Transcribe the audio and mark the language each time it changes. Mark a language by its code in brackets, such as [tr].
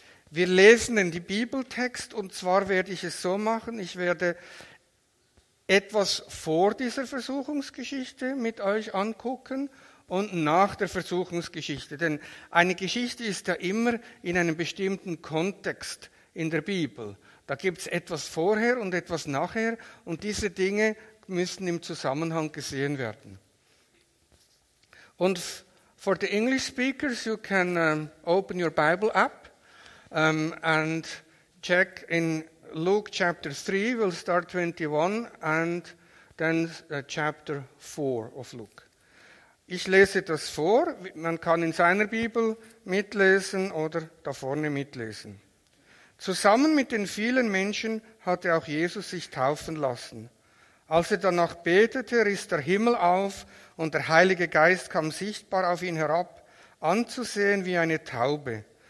[de] Wir lesen den Bibeltext und zwar werde ich es so machen, ich werde etwas vor dieser Versuchungsgeschichte mit euch angucken und nach der Versuchungsgeschichte, denn eine Geschichte ist ja immer in einem bestimmten Kontext in der Bibel. Da gibt es etwas vorher und etwas nachher und diese Dinge müssen im Zusammenhang gesehen werden. [en] Und for the English speakers, you can open your Bible app and check in Luke chapter 3, we'll start 21 and then chapter 4 of Luke. [de] Ich lese das vor, man kann in seiner Bibel mitlesen oder da vorne mitlesen. Zusammen mit den vielen Menschen hatte auch Jesus sich taufen lassen. Als er danach betete, riss der Himmel auf und der Heilige Geist kam sichtbar auf ihn herab, anzusehen wie eine Taube.